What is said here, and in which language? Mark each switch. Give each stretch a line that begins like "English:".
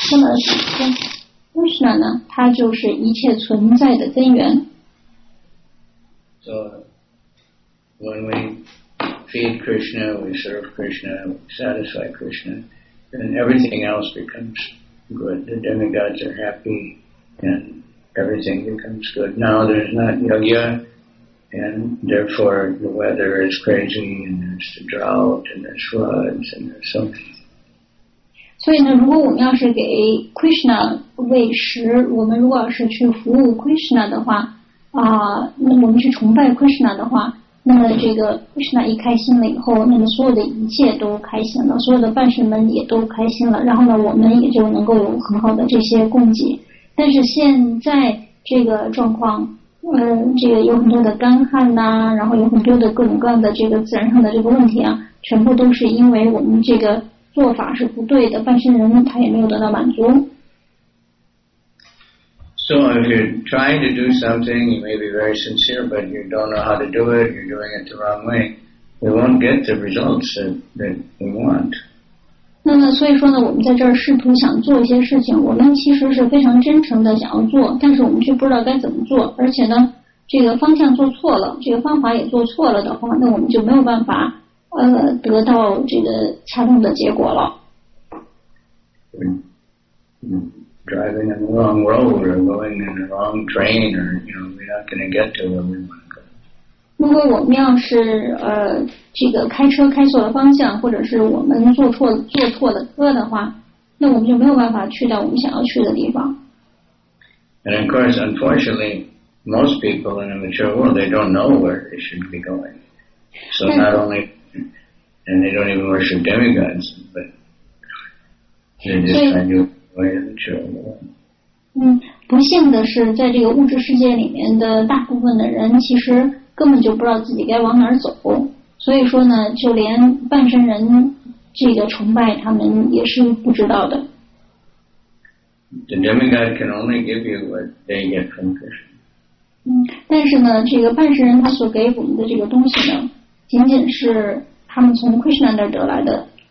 Chinese: 那么 Krishna 呢它就是一切存在的根源。
English: So when we feed Krishna, we serve Krishna, we satisfy Krishna, then everything else becomesGood. The demigods are happy and everything becomes good. Now there's not yajna and therefore the weather is crazy and there's the drought and there's floods and there's something.
Chinese: 所以呢，如果我们要是给 Krishna 喂食，我们如果要是去服务 Krishna 的话，那我们去崇拜 Krishna 的话，那么这个 Krishna 一开心了以后，那么所有的一切都开心了，所有的伴神们也都开心了，然后呢我们也就能够有很好的这些供给。但是现在这个状况这个有很多的干旱呐、然后有很多的各种各样的这个自然上的这个问题啊，全部都是因为我们这个做法是不对的，伴神人们他也没有得到满足。
English: So if you're trying to do something, you may be very sincere, but you don't know how to do it, you're doing it the wrong way, we won't get the results that we want.
Chinese: 那么所以说呢，我们在这儿试图想做一些事情，我们其实是非常真诚的想要做，但是我们却不知道该怎么做，而且呢，这个方向做错了，这个方法也做错了的话，那我们就没有办法得到这个恰当的结果了。
English: driving in the wrong road or going in the wrong train or, you know, we're not going to get to where we want to go.
Chinese: 如果我们要是这个开车开错了方向，或者是我们坐错了车的话，那我们就没有办法去到我们想要去的地方。
English: And of course, unfortunately, most people in a mature world, they don't know where they should be going. So not only, and they don't even worship demigods, but they just kind of go in a mature world.
Chinese: 不幸的是在这个物质世界里面的大部分的人其实根本就不知道自己该往哪儿走，所以说呢，就连半身人这个崇拜他们也是不知道的。
English: The demigod can only give you what they get from Krishna.
Chinese: 但是呢，这个半身人他所给我们的这个东西呢，仅仅是他们从 Krishna 那儿得来的。